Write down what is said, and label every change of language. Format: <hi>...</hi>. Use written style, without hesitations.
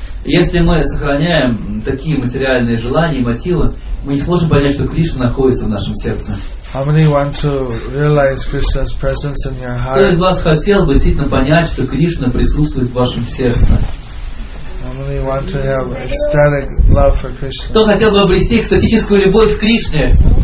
<ru>Если мы сохраняем такие материальные желания и мотивы, мы не сможем понять, что Кришна находится в нашем сердце.</ru> <en>How many want to realize Krishna's presence in your heart?</en> <ru>Кто из вас хотел бы действительно понять, что Кришна присутствует в вашем сердце?</ru> <en>How many want to have ecstatic love for Krishna?</en> <ru>Кто хотел бы обрести экстатическую любовь к Кришне?</ru>